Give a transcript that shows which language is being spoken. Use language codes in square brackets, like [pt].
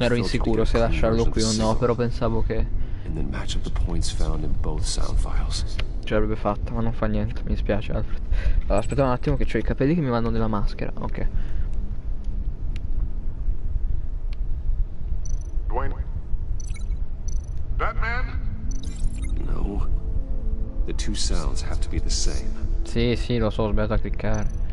[it] filter. Ero insicuro se lasciarlo qui o no, però pensavo che... [en] And then match up the points found in both sound files. [it] Ce l'avrebbe fatta, ma non fa niente, mi dispiace Alfred. Allora, aspetta un attimo che c'ho i capelli che mi vanno nella maschera, ok. [en] Dwayne? Batman? No. The two sounds have to be the same. [it] Sì, sì, lo so, ho sbagliato a cliccare.